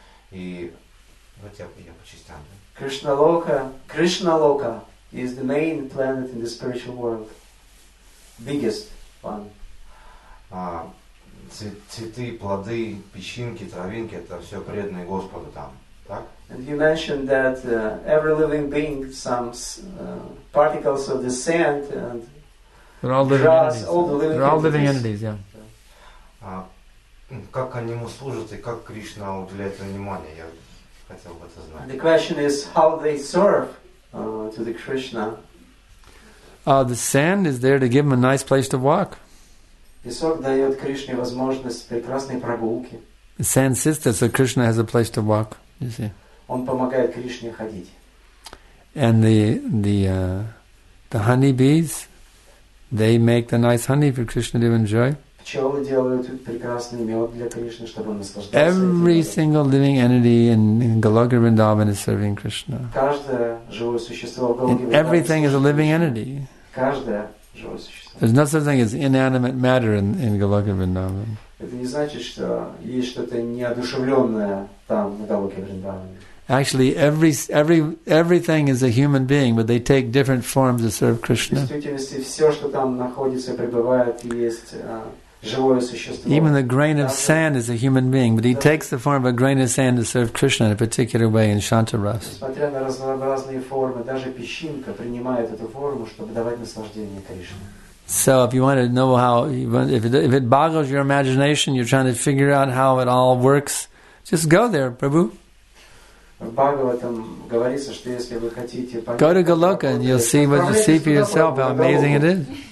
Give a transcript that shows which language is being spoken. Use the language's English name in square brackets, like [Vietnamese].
[Russian] И вот я по частям. [English] Кришналока is the main planet in the spiritual world. Biggest one. [Russian] Цветы, плоды, песчинки, травинки, это все преданные Господу там. [English] And you mentioned that every living being, some particles of the sand and grass, all the living entities. [Russian] Как они ему служат и как Кришна уделяет внимание? Я хотел бы это знать. [English] The question is how they serve to the Krishna. The sand is there to give him a nice place to walk. [Russian] Песок дает Кришне возможность прекрасной прогулки. [English] The sand sister, so Krishna has a place to walk. You see. [Russian] Он помогает Кришне ходить. [English] And the honeybees, they make the nice honey for Krishna to enjoy. [Russian] Пчелы делают прекрасный мед для Кришны, чтобы он наслаждался. [English] Every single living entity in Goloka Vrindavan is serving Krishna. [Russian] Каждое живое существо в Голоке Вриндаване. [English] And everything is a living entity. [Russian] Каждое живое существо. [English] There's no such thing as inanimate matter in Goloka Vrindavan. [Russian] Это не значит, что есть что-то неодушевленное там, в Голоке Вриндаване. [English] Actually, everything is a human being, but they take different forms to serve Krishna. [Russian] В действительности, все, что там находится, пребывает, есть живое существо. [English] Even the grain of sand is a human being, but he takes the form of a grain of sand to serve Krishna in a particular way in Shantaras. [Russian] Несмотря на разнообразные формы, даже песчинка принимает эту форму, чтобы давать наслаждение Кришне. [English] So if you want to know how, if it boggles your imagination, you're trying to figure out how it all works, just go there, Prabhu. Go to Goloka and you'll see what you see for yourself, how amazing it is.